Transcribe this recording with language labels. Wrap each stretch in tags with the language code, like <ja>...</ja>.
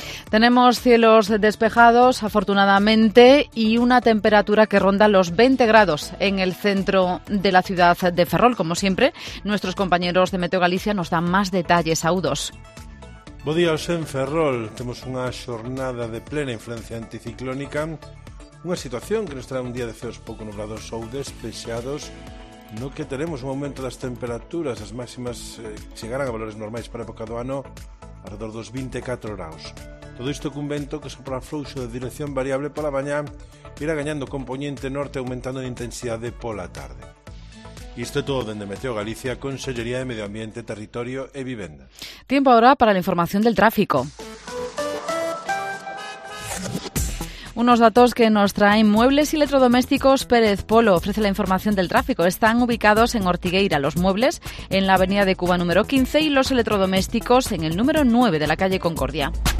<es>Tenemos cielos despejados, afortunadamente, y una temperatura que ronda los 20 grados en el centro de la ciudad de Ferrol. Como siempre, nuestros compañeros de Meteo Galicia nos dan más detalles. Saludos.</es> <gl>Bo días en Ferrol. Temos unha xornada de plena influencia anticiclónica, unha situación que nos trae un día de ceos pouco nublados ou despexados, no que teremos un aumento das temperaturas. As máximas chegarán a valores normais para a época do ano, alrededor dos 24 graus. Todo isto cun vento que sopra frouxo de dirección variable pola mañá, irá gañando compoñente norte aumentando de intensidade pola tarde. Isto é todo dende Meteo Galicia, Consellería de Medio Ambiente, Territorio e Vivenda.</gl> <es>Tiempo ahora para la información del tráfico. Unos datos que nos traen Muebles y Electrodomésticos Pérez Polo. Ofrece la información del tráfico. Están ubicados en Ortigueira los muebles, en la avenida de Cuba número 15, y los electrodomésticos en el número 9 de la calle Concordia.</es>